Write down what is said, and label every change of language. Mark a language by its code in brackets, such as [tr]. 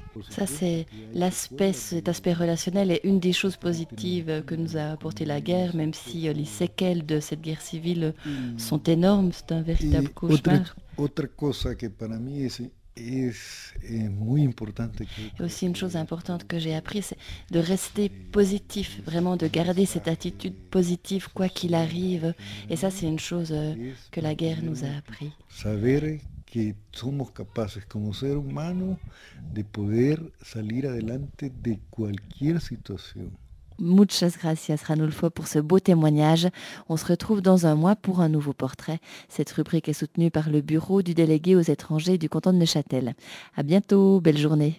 [fr] Ça, c'est cet aspect relationnel est une des choses positives que nous a apporté la guerre, même si les séquelles de cette guerre civile sont énormes, c'est un véritable cauchemar. [es] Otra cosa que para mí es muy importante. [fr] Et aussi une chose importante que j'ai appris, c'est de rester positif, vraiment de garder cette attitude positive quoi qu'il arrive. Et ça, c'est une chose que la guerre nous a appris. [es] Saber que somos capaces como ser humano de poder salir adelante de cualquier situación. Muchas gracias, [fr] Ranulfo, pour ce beau témoignage. On se retrouve dans un mois pour un nouveau portrait. Cette rubrique est soutenue par le bureau du délégué aux étrangers du canton de Neuchâtel. À bientôt, belle journée.